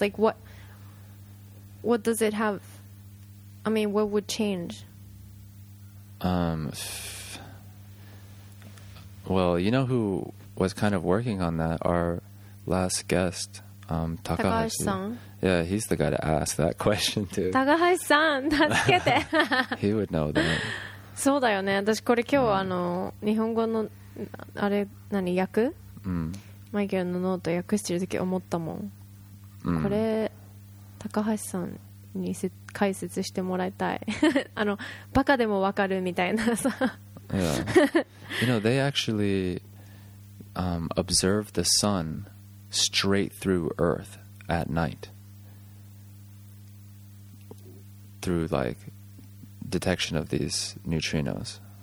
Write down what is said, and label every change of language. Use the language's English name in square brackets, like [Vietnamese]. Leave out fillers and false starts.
[English] Like, what does it have? I mean, what would change? Well, you know who was kind of working on that? Our last guest, Takahashi-san. Yeah, he's the guy to ask that question to. [Japanese] Takahashi-san, 助けて。 [English] He would know that. [Japanese] そうだよね。私これ今日あの日本語のあれ何訳？マイケルのノート訳してる時思ったもん。これ Takahashi-san。に解説してもらいたい。あのバカでもわかるみたいなさ。 [English] Yeah. You know, they actually observe the sun straight through Earth at night through like detection of these neutrinos.